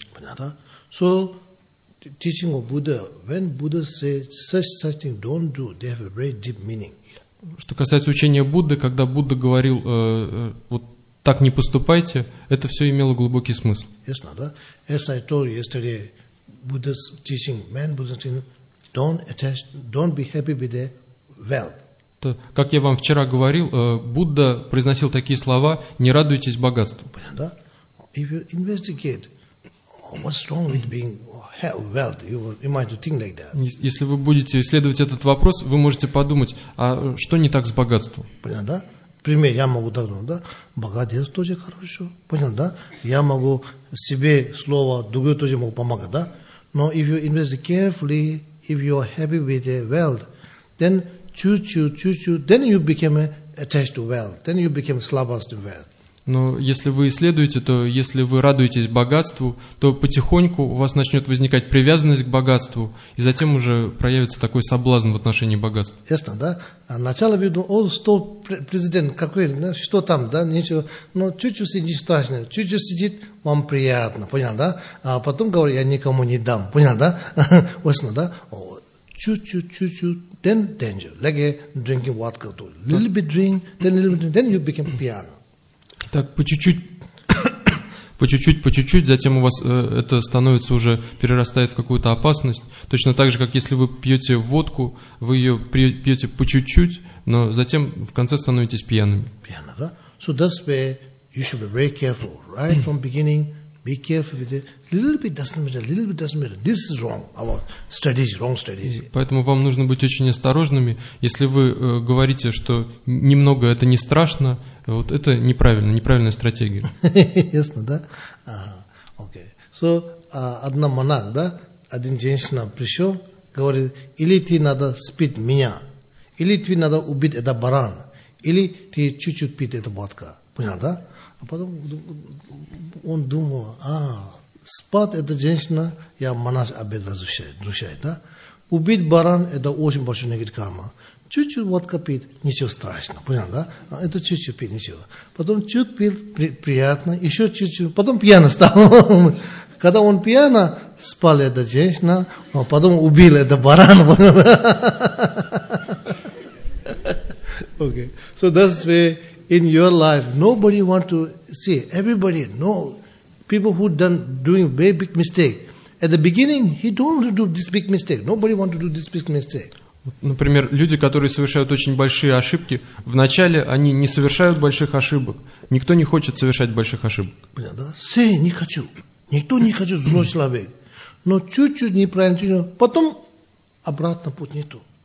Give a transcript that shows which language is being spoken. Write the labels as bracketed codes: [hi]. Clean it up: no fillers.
[ru] Понятно? [en] So, teaching of Buddha, when Buddha says such thing, don't do, they have a very deep meaning. [ru] Что касается учения Будды, когда Будда говорил, вот так не поступайте, это все имело глубокий смысл. [en] Yes, no, [ru] да? [en] As I told yesterday, Buddha's teaching, man, Buddha's teaching, don't attach, don't be happy with the wealth. [ru] То, как я вам вчера говорил, Будда произносил такие слова, не радуйтесь богатству. Понятно, да? [en] If you investigate, what's wrong with being wealth, you might think like that. [ru] Если вы будете исследовать этот вопрос, вы можете подумать, а что не так с богатством? Понятно, да? Пример, я могу так думать, да? Богатец тоже хорошо, понятно, да? Я могу себе слово, другое тоже могу помогать, да? Но [en] if you invest carefully, if you are happy with the wealth, then choose, then you become attached to wealth, then you become slavas to wealth. [ru] Но если вы исследуете, то если вы радуетесь богатству, то потихоньку у вас начнет возникать привязанность к богатству, и затем уже проявится такой соблазн в отношении богатства. Ясно, да? А сначала видно, о, стол президент какой, да? Что там, да, ничего, но чуть-чуть сидит страшно, чуть-чуть сидит, вам приятно, понял, да? А потом говорю, я никому не дам, понял, да? Ясно, да? О, чуть-чуть, [en] then danger, like drinking vodka, too. Little bit drink, then little bit drink, then you become piano. [ru] Так, по чуть-чуть, затем у вас это становится уже, перерастает в какую-то опасность. Точно так же, как если вы пьете водку, вы ее пьете по чуть-чуть, но затем в конце становитесь пьяными. Пьяно, да? [en] So that's where you should be very careful. Right from beginning, be careful with it. Little bit doesn't matter. This is wrong. Our strategy, wrong strategy. [ru] Поэтому вам нужно быть очень осторожными. Если вы говорите, что немного это не страшно, вот это неправильно, неправильная стратегия. Ясно, да? Окей. So, одна монах, да? Один женщина пришел, говорит, или ты надо спить меня, или тебе надо убить этот баран, или ты чуть-чуть пить эту водку. Понял, да? А потом он думал, спать эта женщина, я монах обед разрушает, да? Убить баран, это очень большой негатив карма. Чуть-чуть водка пит, ничего страшного, понял, да? А это чуть-чуть пит, ничего. Потом чуть пил, приятно, еще чуть-чуть, потом пьяно стал. Когда он пьяно, спал эта женщина, а потом убил этот баран, понял, да? [en] Okay. So that's why in your life, nobody want to see, everybody know, people who done doing very big mistake. At the beginning, he don't want to do this big mistake. Nobody want to do this big mistake. [ru] Например, люди, которые совершают очень большие ошибки, вначале они не совершают больших ошибок. Никто не хочет совершать больших ошибок. Понятно? Все не хочу. Никто не хочет злой человек. Но чуть-чуть неправильно. Потом обратно путь нету.